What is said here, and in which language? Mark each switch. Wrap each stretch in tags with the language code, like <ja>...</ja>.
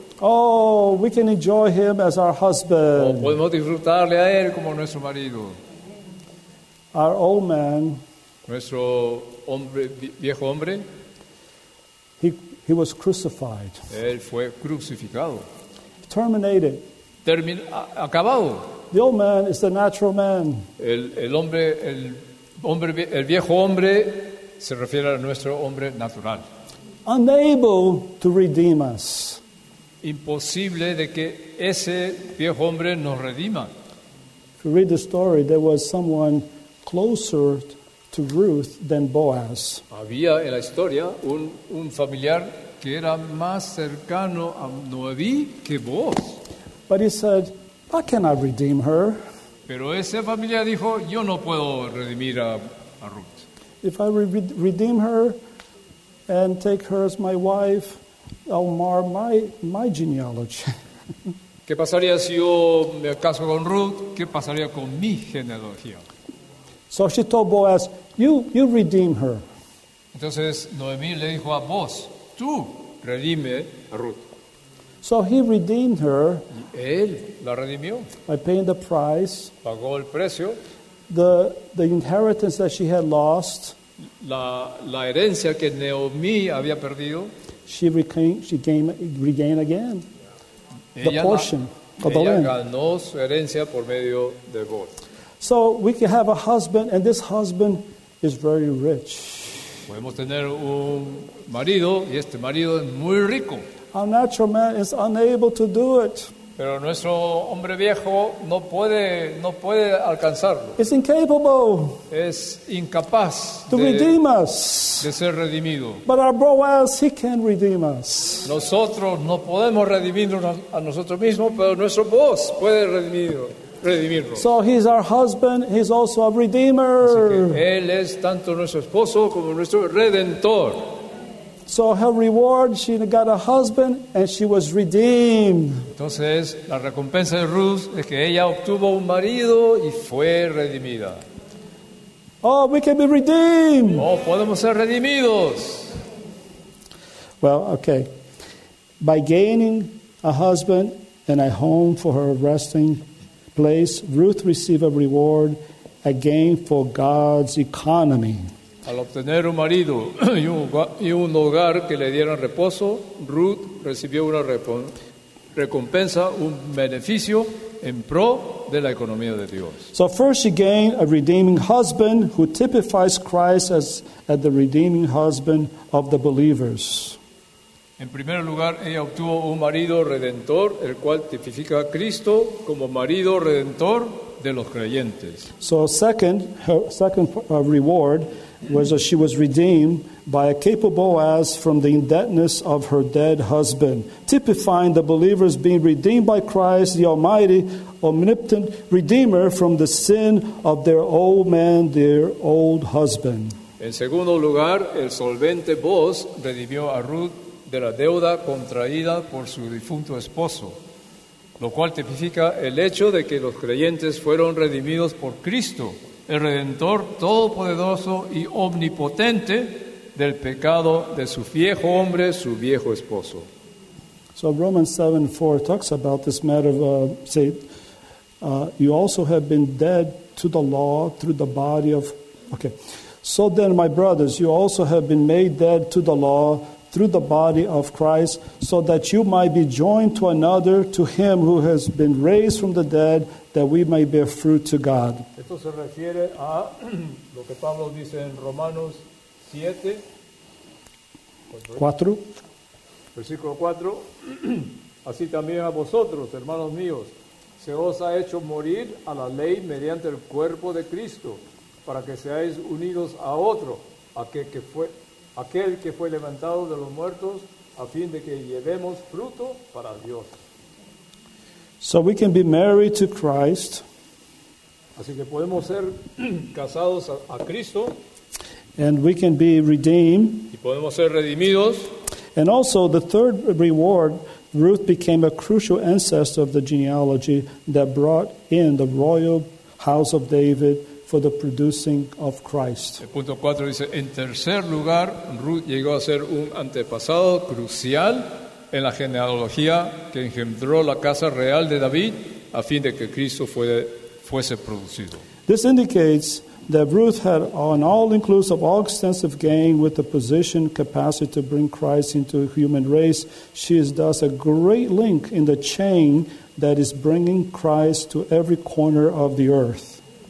<en>Oh, we can enjoy him as our husband.</en> <es>O podemos disfrutarle a él como nuestro marido.</es> <en>Our old man.</en> <es>Nuestro hombre, viejo hombre.</es> <en>He was crucified.</en> <es>Él fue crucificado.</es> <en>Terminated.</en> <es>Acabado.</es> <en>The old man is the natural man.</en> <es>El viejo hombre se refiere a nuestro hombre natural.</es> <en>Unable to redeem us.</en> <es>Imposible de que ese viejo hombre nos redima.</es> <en>If you read the story, there was someone closer to Ruth than Boaz.</en> <es>Había en la historia un familiar que era más cercano a Noemí que Boaz.</es> <en>But he said, I cannot redeem her.</en> <es>Pero esa familia dijo, yo no puedo redimir a Ruth.</es> <en>If I redeem her and take her as my wife, I'll mar my genealogy.</en> <es>¿Qué pasaría si yo me caso con Ruth? ¿Qué pasaría con mi genealogía?</es> <en>So she told Boaz, you redeem her.</en> <es>Entonces Noemí le dijo a Boaz, tú redime a Ruth.</es> <en>So he redeemed her.</en> <es>Él la redimió.</es> <en>By paying the price.</en> <es>Pagó el precio.</es> <en>The inheritance that she had lost.</en> <es>La herencia que Naomi había perdido.</es> <en>She regained again.</en> <es>Ella</es> <en>the portion of the land.</en> <es>Ella ganó su herencia por medio de Boaz.</es> <en>So we can have a husband, and this husband is very rich.</en> <es>Podemos tener un marido, y este marido es muy rico.</es> <en>Our natural man is unable to do it.</en> <es>Pero nuestro hombre viejo no puede alcanzarlo.</es> <en>It's incapable.</en> <es>Es incapaz</es> <en>to redeem us.</en> <es>De ser redimido.</es> <en>But our Boaz, he can redeem us.</en> <es>Nosotros no podemos redimirnos a nosotros mismos, pero nuestro Boaz puede redimirlo.</es> <en>So he's our husband, he's also a redeemer.</en> <es>Así que él es tanto nuestro esposo como nuestro redentor.</es> <en>So her reward, she got a husband and she was redeemed.</en> <es>Entonces, la recompensa de Ruth es que ella obtuvo un marido y fue redimida.</es> <en>Oh, we can be redeemed.</en> <es>Oh, podemos ser redimidos.</es> <en>Well, okay. By gaining a husband and a home for her resting place, Ruth received a reward again for God's economy.</en> <es>Al obtener un marido y un hogar que le dieran reposo, Ruth recibió una recompensa, un beneficio en pro de la economía de Dios.</es> <en>So first she gained a redeeming husband who typifies Christ as the redeeming husband of the believers.</en> <es>En primer lugar, ella obtuvo un marido redentor, el cual tipifica a Cristo como marido redentor de los creyentes.</es> <en>So second, her second reward was that she was redeemed by a capable Boaz from the indebtedness of her dead husband, typifying the believers being redeemed by Christ, the Almighty, Omnipotent Redeemer, from the sin of their old man, their old husband.</en> <es>En segundo lugar, el solvente Boaz redimió a Ruth de la deuda contraída por su difunto esposo, lo cual tipifica el hecho de que los creyentes fueron redimidos por Cristo, el Redentor todopoderoso y omnipotente, del pecado de su viejo hombre, su viejo esposo.</es> <en>So Romans 7:4 talks about this matter of, you also have been dead to the law through the body of, okay. So then, my brothers, you also have been made dead to the law through the body of Christ, so that you might be joined to another, to him who has been raised from the dead, that we may bear fruit to God.</en> <es>Esto se refiere a lo que Pablo dice en Romanos 7, 4, versículo 4. Así también a vosotros, hermanos míos, se os ha hecho morir a la ley mediante el cuerpo de Cristo, para que seáis unidos a otro, aquel que fue levantado de los muertos, a fin de que llevemos fruto para Dios.</es> <en>So we can be married to Christ.</en> <es>Así que podemos ser casados a Cristo.</es> <en>And we can be redeemed.</en> <es>Y podemos ser redimidos.</es> <en>And also the third reward, Ruth became a crucial ancestor of the genealogy that brought in the royal house of David for the producing of Christ.</en> <es>El punto 4 dice, en tercer lugar, Ruth llegó a ser un antepasado crucial en la genealogía que engendró la casa real de David a fin de que Cristo fuese producido.</es> <en>This indicates that Ruth had an all-inclusive, all-extensive gain with the position, capacity to bring Christ into a human race. She is thus a great link in the chain that is bringing Christ to every corner of the earth.</en>